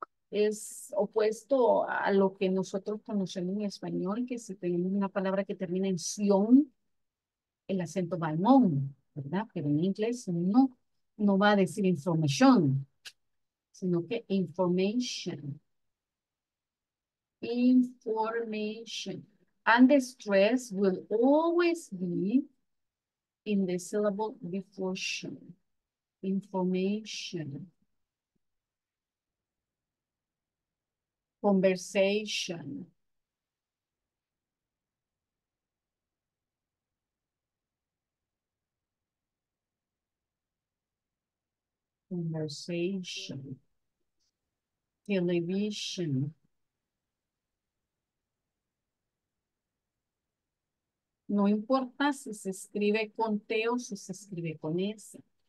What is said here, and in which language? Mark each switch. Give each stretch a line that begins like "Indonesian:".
Spanish: Es opuesto a lo que nosotros conocemos en español, que si tenemos una palabra que termina en Sion, el acento va al mon, ¿verdad? Pero en inglés no va a decir información, sino que information.
English: Information. And the stress will always be in the syllable before Sion. information, conversation, conversation, television,
Spanish: no importa si se escribe con T o si se escribe con S,